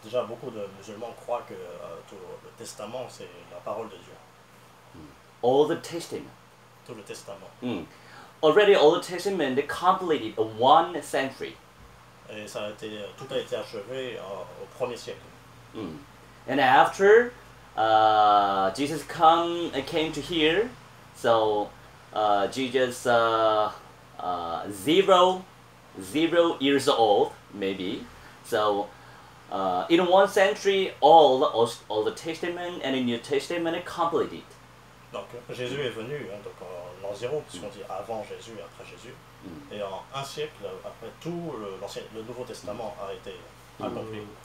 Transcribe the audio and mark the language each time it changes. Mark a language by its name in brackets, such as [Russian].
[French] Déjà beaucoup de musulmans croient que tout le testament c'est la parole de Dieu. [English] All the testament. [French] Tout le testament. [English] Already all the testament they completed one century. [French] Et ça a été, tout a été achevé au premier siècle. [English] And after Jesus came to here, so Jesus zero years old maybe. So in one century, all the Testament and the New Testament are completed. [French] Donc Jésus est venu donc l'an zéro puisqu'on dit avant Jésus et après Jésus. Et en un siècle, après tout le Nouveau Testament a été accompli.